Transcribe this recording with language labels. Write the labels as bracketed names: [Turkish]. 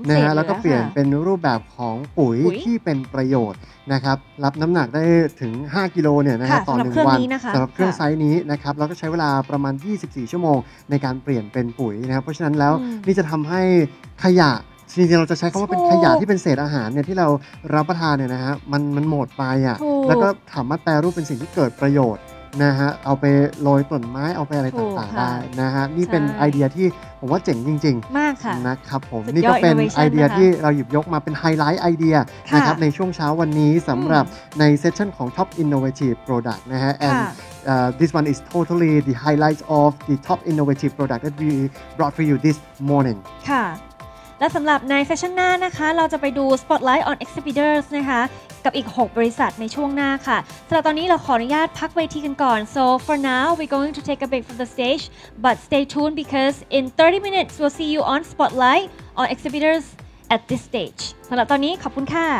[Thai] นะฮะแล้วก็เปลี่ยนเป็นรูปแบบของปุ๋ยที่เป็นประโยชน์นะครับรับน้ำหนักได้ถึง5กิโลเนี่ยนะฮะต่อ1วันสำหรับเครื่องไซส์นี้นะครับแล้วก็ใช้เวลาประมาณ24ชั่วโมงในการเปลี่ยนเป็นปุ๋ยนะครับเพราะฉะนั้นแล้วนี่จะทำให้ขยะจริงๆเราจะใช้คำว่าเป็นขยะที่เป็นเศษอาหารเนี่ยที่เรารับประทานเนี่ยนะฮะมันหมดไปอ่ะแล้วก็สามารถแปรรูปเป็นสิ่งที่เกิดประโยชน์นะฮะเอาไปโรยต้นไม้เอาไปอะไรต่างๆได้นะฮะนี่เป็นไอเดียที่ผมว่าเจ๋งจริง ๆมากค่ะ นะครับผมนี่ก็เป็นไอเดียที่เราหยิบยกมาเป็นไฮไลท์ไอเดียนะครับในช่วงเช้าวันนี้สำหรับในเซสชั่นของ Top Innovative Product นะฮะ and [English] This one is totally the highlight of the top innovative product that we brought for you this morning. [Thai] ค่ะและสำหรับในเซสชั่นหน้านะคะเราจะไปดู Spotlight on Exhibitors นะคะกับอีก6บริษัทในช่วงหน้าค่ะสำหรับตอนนี้เราขออนุญาตพักเวทีกันก่อน [English] So for now we're going to take a break from the stage but stay tuned because in 30 minutes we'll see you on Spotlight on Exhibitors at this stage [Thai] สำหรับตอนนี้ขอบคุณค่ะ